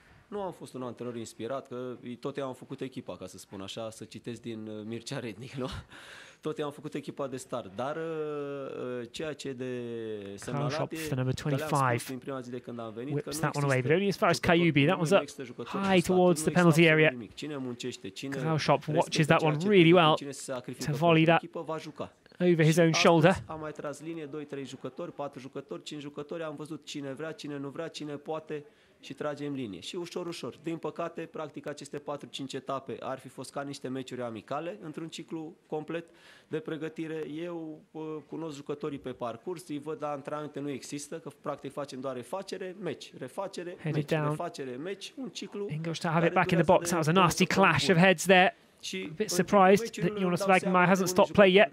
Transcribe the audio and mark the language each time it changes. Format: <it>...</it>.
<ro>Nu am fost un antrenor inspirat, că tot eu am făcut echipa, ca să spun așa, să citesc din Mircea Rednic, nu? Tot eu am făcut echipa de start, dar ceea ce de semnalat e că le-am spus din prima zi de când am venit, că nu există jucători.</ro> <en>Whips that one away, but only as far as Kayubi, that one's up high towards the penalty area. Kraushop watches that one really well to volley that over his own shoulder.</en> <ro>Am mai tras linie, 2-3 jucători, 4 jucători, 5 jucători, am văzut cine vrea, cine nu vrea, cine poate. Și tragem linie. Și ușor, ușor. Din păcate, practic, aceste 4-5 etape ar fi fost ca niște meciuri amicale într-un ciclu complet de pregătire. Eu cunosc jucătorii pe parcurs, îi văd, dar antrenamente nu există, că practic facem doar refacere, meci, refacere, meci, refacere, meci, un ciclu.</ro> <en>Ingolstadt have it back in the box. That was a nasty clash of heads there. A bit surprised that Jonas Wagner hasn't stopped play yet.</en>